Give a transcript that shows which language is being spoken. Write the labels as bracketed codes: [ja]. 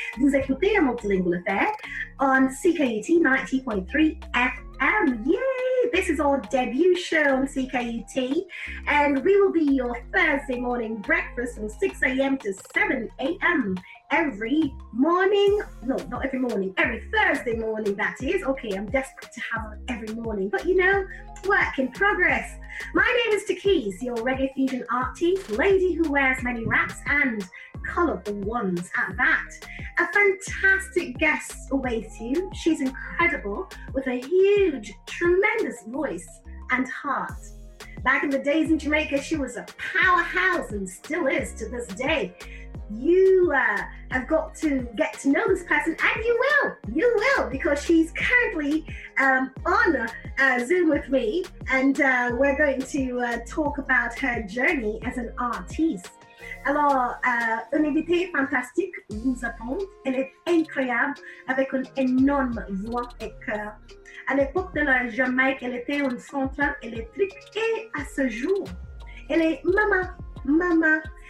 [fr] Vous écoutez A Multilingual Affair on CKUT 90.3 FM. [en] Yay! This is our debut show on CKUT, and we will be your Thursday morning breakfast from 6 a.m. to 7 a.m. every morning. No, not every morning. Every Thursday morning, that is. Okay, I'm desperate to have every morning, but you know, work in progress. My name is Takis, your reggae fusion artiste, lady who wears many wraps and colorful ones at that. A fantastic guest awaits you. She's incredible with a huge, tremendous voice and heart. Back in the days in Jamaica, she was a powerhouse and still is to this day. You have got to get to know this person, and you will, because she's currently on Zoom with me, and we're going to talk about her journey as an artiste. [fr] Alors, une invitée fantastique vous attend. Elle est incroyable, avec une énorme voix et cœur. À l'époque de la Jamaïque, elle était une centrale électrique, et à ce jour, elle est maman.